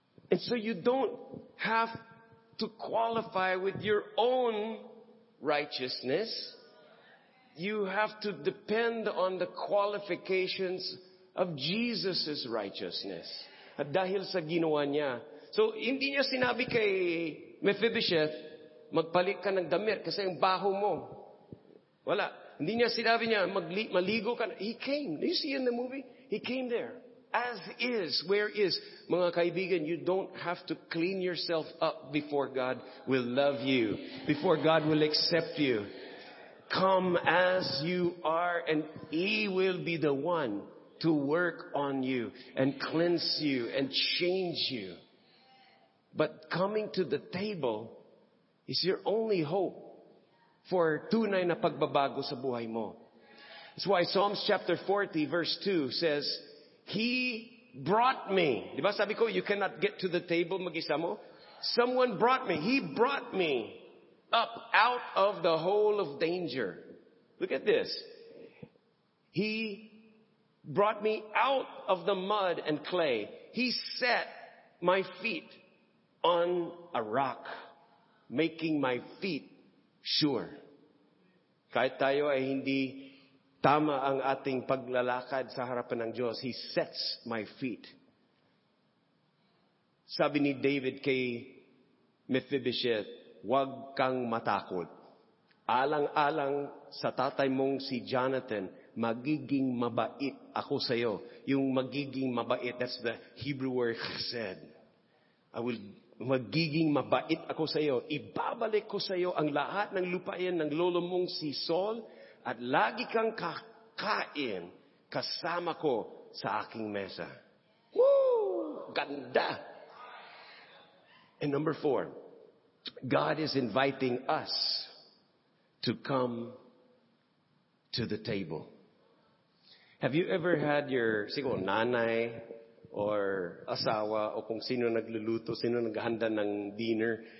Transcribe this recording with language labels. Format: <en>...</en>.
<en>And so you don't have to qualify with your own righteousness. You have to depend on the qualifications of Jesus' righteousness.</en> <tl>At dahil sa ginawa niya. So, hindi niya sinabi kay Mephibosheth, magpalit ka ng damit kasi yung baho mo. Wala. Hindi niya sinabi niya, maligo ka.</tl> <en>He came. Do you see in the movie? He came there. As is, where is.</en> <tl>Mga kaibigan,</tl> <en>you don't have to clean yourself up before God will love you. Before God will accept you. Come as you are and He will be the one to work on you and cleanse you and change you. But coming to the table is your only hope for</en> <tl>tunay na pagbabago sa buhay mo.</tl> <en>That's why Psalms chapter 40 verse 2 says, He brought me.</en> <tl>Diba sabi ko,</tl> <en>you cannot get to the table</en> <tl>mag-isa mo?</tl> <en>Someone brought me. He brought me up out of the hole of danger. Look at this. He brought me out of the mud and clay. He set my feet on a rock, making my feet sure.</en> <tl>Kahit tayo ay hindi tama ang ating paglalakad sa harapan ng Diyos,</tl> <en>He sets my feet.</en> <tl>Sabi ni David kay Mephibosheth, huwag kang matakot. Alang-alang sa tatay mong si Jonathan, magiging mabait ako sa iyo. Yung magiging mabait,</tl> <en>that's the Hebrew word chesed.</en> <tl>Magiging mabait ako sa iyo. Ibabalik ko sa iyo ang lahat ng lupain ng lolo mong si Saul at lagi kang kakain kasama ko sa aking mesa. Woo! Ganda!</tl> <en>And number four, God is inviting us to come to the table. Have you ever had your,</en> <tl>siguro, nanay or asawa, o kung sino nagluluto, sino naghahanda ng dinner.</tl>